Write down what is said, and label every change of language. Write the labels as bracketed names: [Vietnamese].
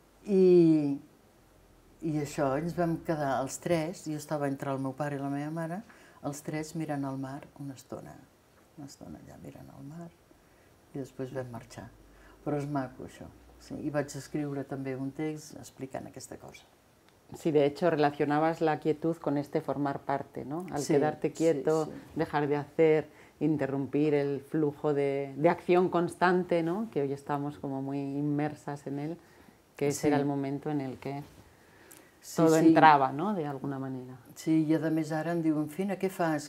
[Catalan] I això, ens vam quedar els tres, jo estava entre el meu pare i la meva mare, els tres mirant el mar una estona allà mirant el mar, i després vam marxar. Però és maco, això. Sí, i vaig escriure també un text explicant aquesta cosa. [Spanish] Sí, de hecho, relacionabas la quietud con este formar parte, ¿no? Al sí, quedarte quieto, sí, sí. Dejar de hacer, interrumpir el flujo de acción constante, ¿no? Que hoy estamos como muy inmersas en él, que ese sí. Era el momento en el que todo sí, sí. Entraba, ¿no? De alguna manera. [Catalan] Sí, i a més ara em diuen, Fina, què fas?